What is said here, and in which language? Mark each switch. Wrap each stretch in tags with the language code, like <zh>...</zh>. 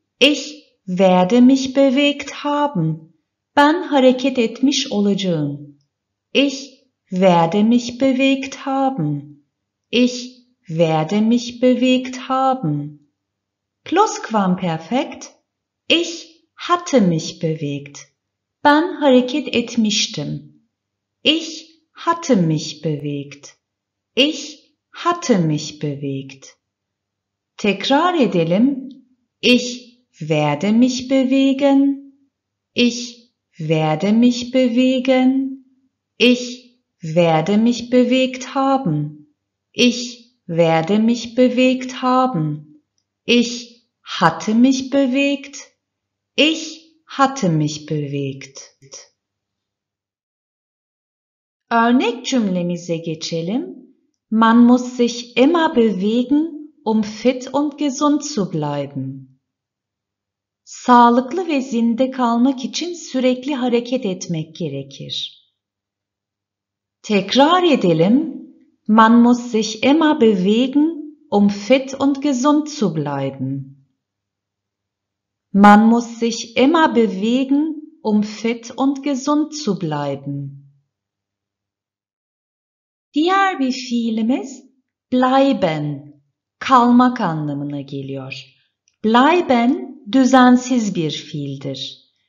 <de>Ich werde mich bewegt haben.</de> <tr>Ben hareket etmiş olacağım.</tr> <de>Ich werde mich bewegt haben. Ich werde mich bewegt haben. Plusquamperfekt. Ich hatte mich bewegt.</de> <tr>Ben hareket etmiştim.</tr> <de>Ich hatte mich bewegt. Ich hatte mich bewegt.</de> <tr>Tekrar edelim.</tr> <de>Ich werde mich bewegen. Ich werde mich bewegen. Ich werde mich bewegt haben. Ich werde mich bewegt haben. Ich hatte mich bewegt. Ich hatte mich bewegt.</de> <tr>Örnek cümlemize geçelim.</tr> <de>Man muss sich immer bewegen, um fit und gesund zu bleiben.</de> <tr>Sağlıklı ve zinde kalmak için sürekli hareket etmek gerekir. Tekrar edelim.</tr> <de>Man muss sich immer bewegen, um fit und gesund zu bleiben. Man muss sich immer bewegen, um fit und gesund zu bleiben.</de> <tr>Diğer bir fiilimiz bleiben, kalmak anlamına geliyor. Bleiben düzensiz bir fiildir.</tr>